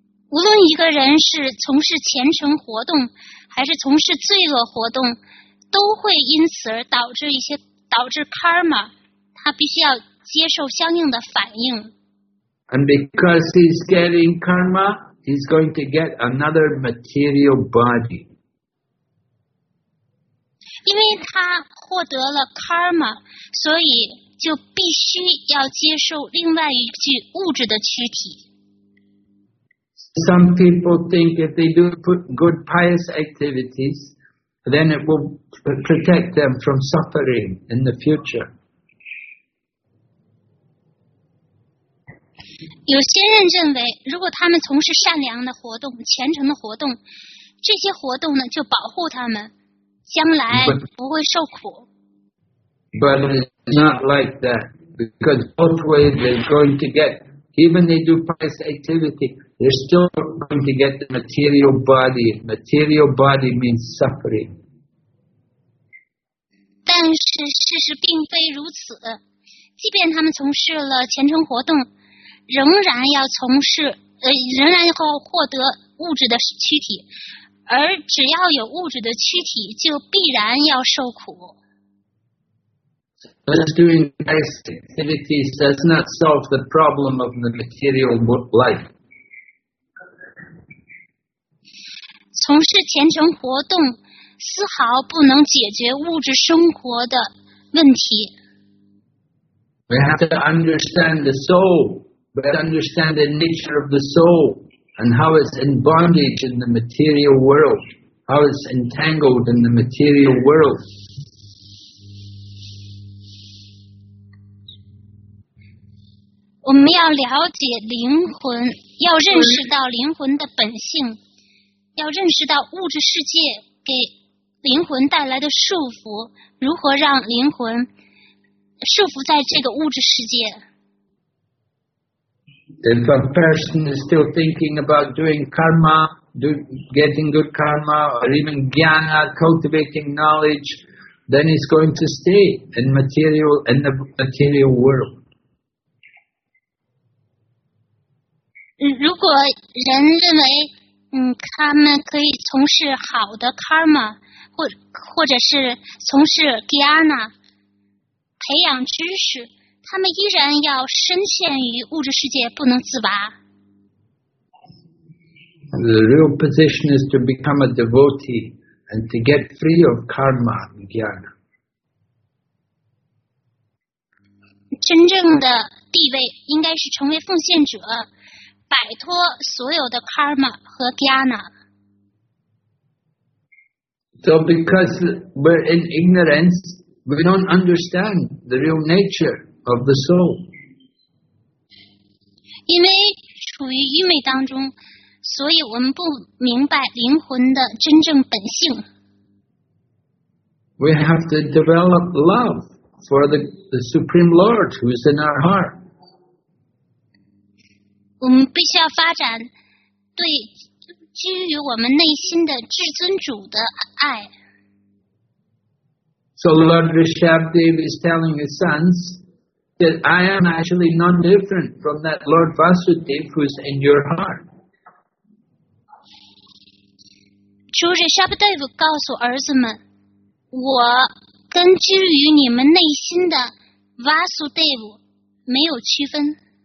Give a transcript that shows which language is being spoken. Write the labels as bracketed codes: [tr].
[zh] 无论一个人是从事虔诚活动还是从事罪恶活动，都会因此而导致 karma， 他必须要接受相应的反应。 [en] And because he's getting karma, he's going to get another material body. [zh] 因为他获得了 karma， 所以就必须要接受另外一具物质的躯体。 [en] Some people think if they do good pious activities, then it will protect them from suffering in the future. [zh] 有些人认为，如果他们从事善良的活动、虔诚的活动，这些活动呢，就保护他们将来不会受苦。 [en] But it's not like that, because both ways they're going to get, even they do pious activity. They're still going to get the material body. Material body means suffering. [zh] 但是事实并非如此。即便他们从事了虔诚活动，仍然要从事，仍然要获得物质的躯体，而只要有物质的躯体，就必然要受苦。 [en] Just doing nice activities does not solve the problem of the material life. [zh] 从事虔诚活动丝毫不能解决物质生活的问题。 [en] We have to understand the soul. We have to understand the nature of the soul and how it's in bondage in the material world. How it's entangled in the material world. [zh] 我们要了解灵魂，要认识到灵魂的本性，要认识到物质世界给灵魂带来的束缚，如何让灵魂束缚在这个物质世界。 [en] If a person is still thinking about doing karma, getting good karma, or even jnana, cultivating knowledge, then he's going to stay in the material world. [zh] 如果人认为他们可以从事好的 karma， 或者是从事 jnana， 培养知识，他们依然要深陷于物质世界，不能自拔。 [en] The real position is to become a devotee and to get free of karma and jnana. [zh] 真正的地位应该是成为奉献者。摆脱所有的 karma 和 jnana。 [en] So because we're in ignorance, we don't understand the real nature of the soul. [zh] 因为处于愚昧当中，所以我们不明白灵魂的真正本性。 [en] We have to develop love for the Supreme Lord who is in our heart. [zh] 我们必须要发展对基于我们内心的至尊主的爱。 [en] So Lord Rishabhdev is telling his sons that I am actually none different from that Lord Vasudev who is in your heart. [zh] 主 Rishabhdev 告诉儿子们，我跟基于你们内心的 Vasudev 没有区分。